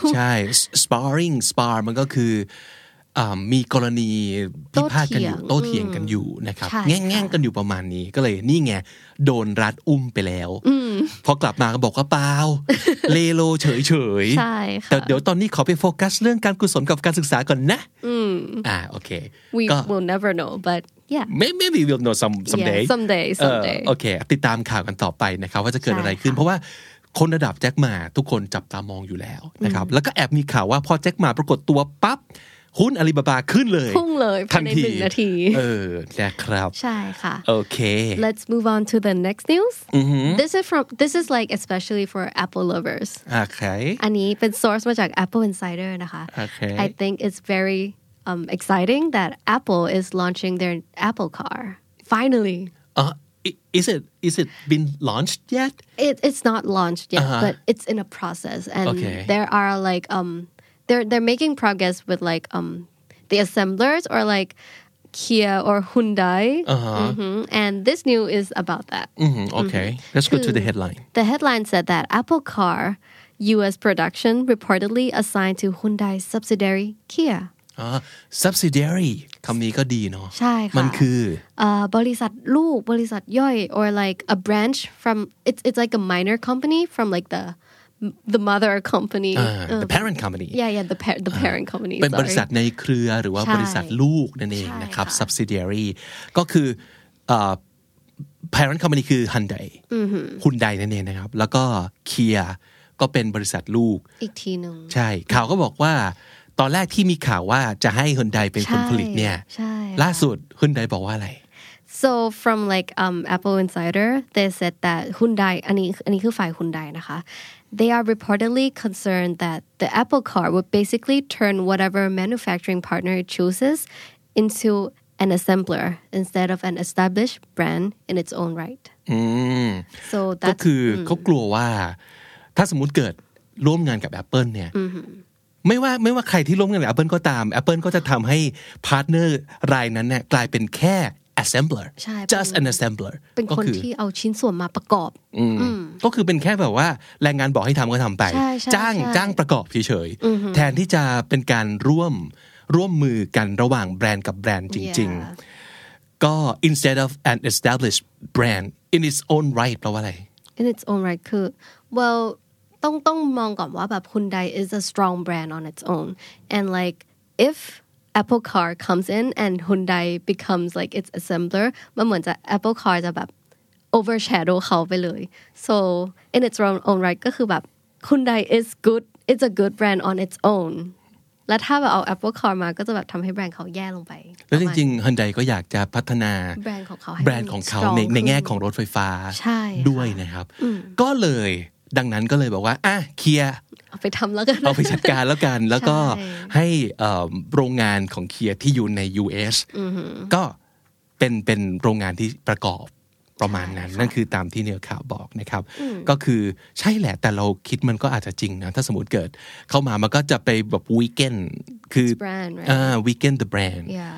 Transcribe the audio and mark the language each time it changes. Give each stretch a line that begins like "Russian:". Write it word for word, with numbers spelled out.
Thai: ใช่ sparring spar มันก็คือมีกรณีพิพาทกันอยู่โต้เถียงกันอยู่นะครับแง่งๆกันอยู่ประมาณนี้ก็เลยนี่ไงโดนรัดอุ้มไปแล้วพอกลับมาก็บอกว่าเปล่าเลโลเฉย ๆ แต่เดี๋ยวตอนนี้ขอไปโฟกัสเรื่องการกุศลกับการศึกษาก่อนนะอ่าโอเค
English: we will never know but yeah maybe we'll know some someday someday someday
Thai: โอเคติดตามข่าวกันต่อไปนะครับว่าจะเกิดอะไรขึ้นเพราะว่าคนระดับแจ็คมาทุกคนจับตามองอยู่แล้วนะครับแล้วก็แอบมีข่าวว่าพอแจ็คมาปรากฏตัวปั๊บหุ้นอาลีบาบาขึ้นเลย พุ่งเลยภายในหนึ่งนาที เออนะครับ ใช่ค่ะ โอเค
English: let's move on to the next news mm-hmm. this is from this is like especially for Apple lovers
Thai: โอเค อันนี้เป็น source มาจาก Apple Insider นะคะ
English: okay. I think it's very um exciting that Apple is launching their Apple Car finally uh, is it is it been launched yet it it's not launched yet uh-huh. but it's in a process and okay. there are like um They're they're making progress with like um the assemblers or like Kia or Hyundai, uh-huh. mm-hmm. and this news is about that. Mm-hmm. Okay, mm-hmm. let's go to the headline. The headline said that Apple Car U S production reportedly assigned to Hyundai subsidiary Kia.
Thai: อ่า subsidiary คำนี้ก็ดีเนาะ ใช่ค่ะ มันคือ เอ่อบริษัทลูกบริษัทย่อย
English: or like a branch from it's it's like a minor company from like the the mother company uh, the parent company yeah yeah the par- the parent company
Thai: เป็นบริษัทในเครือหรือว่าบริษัทลูกนั่นเองนะครับ subsidiary ก็คือเอ่อ parent company คือ Hyundai Hyundai นั่นเองนะครับแล้วก็ Kia ก็เป็นบริษัทลูก อีกทีนึง ใช่ข่าวก็บอกว่าตอนแรกที่มีข่าวว่าจะให้ Hyundai เป็นคนผลิตเนี่ยล่าสุด Hyundai บอกว่าอะไร
English: So from like um, Apple Insider, they said that Hyundai,
Thai: อันนี้อันนี้คือฝ่าย Hyundai นะคะ
English: They are reportedly concerned that the Apple Car would basically turn whatever manufacturing partner it chooses into an assembler instead of an established brand in its own right.
Thai: อืม
English: So
Thai: ก็คือเขากลัวว่าถ้าสมมุติเกิดร่วมงานกับ Apple เนี่ยไม่ว่าไม่ว่าใครที่ร่วมงานกับ Apple ก็ตาม Apple ก็จะทำให้พาร์ทเนอร์รายนั้นเนี่ยกลายเป็นแค่assembler
English: just an assembler
Thai: เป็นคนที่เอาชิ้นส่วนมาประกอบ ก็คือเป็นแค่แบบว่าแรงงานบอกให้ทำก็ทำไปจ้างจ้างประกอบเฉยๆแทนที่จะเป็นการร่วมร่วมมือกันระหว่างแบรนด์กับแบรนด์จริงๆก็
English: instead of an established brand in its own right
Thai: แปลว่าอะไร
English: in its own right คือ well
Thai: ต้องต้องมองก่อนว่าแบบ
English: Hyundai is a strong brand on its own and like if Apple Car comes in and Hyundai becomes like its assembler
Thai: มันเหมือนจะ Apple Car จะแบบ
English: overshadow
Thai: เขาไปเลย
English: so in its own right
Thai: ก็คือแบบ
English: Hyundai is good it's a good brand on its own
Thai: แล้วถ้าแบบเอา Apple Car มาก็จะแบบทำให้แบรนด์เขาแย่ลงไป แล้วจริงๆ Hyundai ก็อยากจะพัฒนา แบรนด์ของเขา แบรนด์ของเขาในในแง่ของรถไฟฟ้าด้วยนะครับก็เลยดังนั้นก็เลยบอกว่าอ่ะเคลียร์ เอาไปทำแล้วกัน เอาไปจัดการแล้วกันแล้วก็ให้โรงงานของเคลียร์ที่อยู่ใน ยู เอส ก็เป็นเป็นโรงงานที่ประกอบประมาณนั้นนั่นคือตามที่เนื้อข่าวบอกนะครับก็คือใช่แหละแต่เราคิดมันก็อาจจะจริงนะถ้าสมมุติเกิดเข้ามามันก็จะไปแบบวีเกนคืออ่าวีเกนเดอะแบรนด์